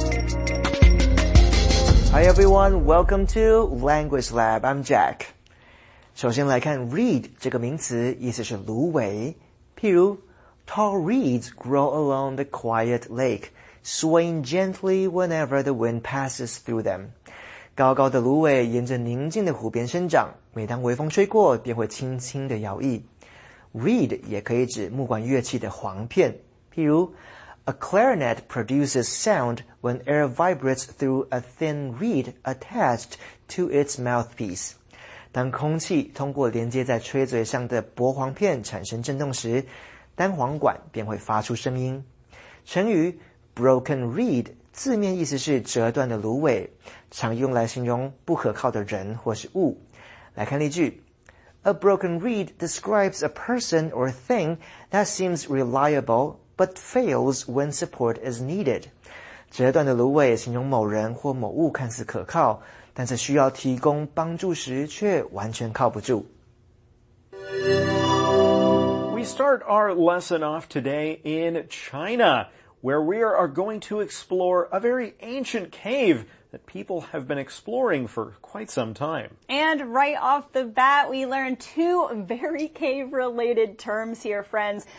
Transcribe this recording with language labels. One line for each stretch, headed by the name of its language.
English: Hi everyone, welcome to Language Lab, I'm Jack.
Chinese: 首先来看 reed 这个名词，意思是芦苇。譬如
English: tall reeds grow along the quiet lake, swaying gently whenever the wind passes through them.
Chinese: 高高的芦苇沿着宁静的湖边生长，每当微风吹过便会轻轻地摇曳。
English: reed
Chinese: 也可以指木管乐器的簧片，譬如
English: A clarinet produces sound when air vibrates through a thin reed attached to its mouthpiece.
Chinese: 当空气通过连接在吹嘴上的薄簧片产生震动时，单簧管便会发出声音。成语 broken reed 字面意思是折断的芦苇，常用来形容不可靠的人或是物。来看例句。
English: A broken reed describes a person or thing that seems reliable,but fails when support is needed.
Chinese: 折断的芦苇形容某人或某物看似可靠，但是需要提供帮助时却完全靠不住。
English: We start our lesson off today in China, where we are going to explore a very ancient cave that people have been exploring for quite some time. And right off the bat, we learn two very cave-related terms here, friends.